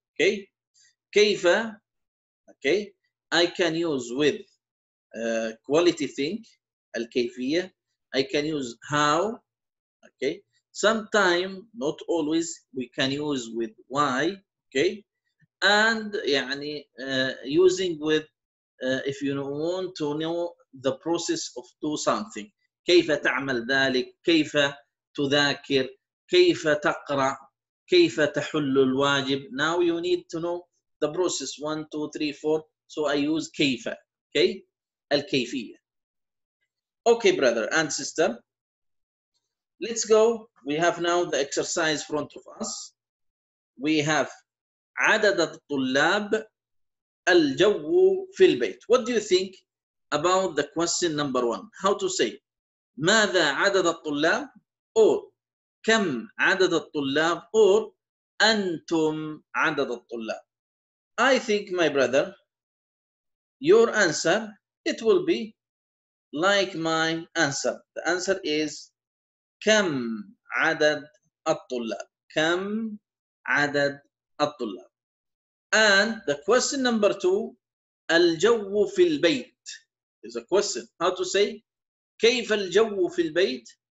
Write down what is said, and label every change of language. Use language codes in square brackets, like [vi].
[en] Okay. كيف. Okay. I can use with quality thing. الكيفية. I can use how. Okay. Sometime, not always, we can use with why. Okay. And [ar] يعني [en] using with if you want to know the process of do something. [ar] كيف تعمل ذلك؟ كيف تذاكر؟ كيف تقرأ؟ كيف تحل الواجب؟ [en] Now you need to know the process. 1, 2, 3, 4. So I use كيف. Okay. الكيفية. Okay, brother and sister. Let's go. We have now the exercise front of us. We have [ar] عدد الطلاب. الجو في البيت. [en] What do you think about the question number one? How to say [ar] ماذا عدد الطلاب or كم عدد الطلاب or أنتم عدد الطلاب. [en] I think, my brother, your answer, it will be like my answer. The answer is [ar] كم عدد الطلاب. كم عدد الطلاب. [en] And the question number two, [ar] الجو في البيت [en] is a question. How to say [ar] كيف الجو في البيت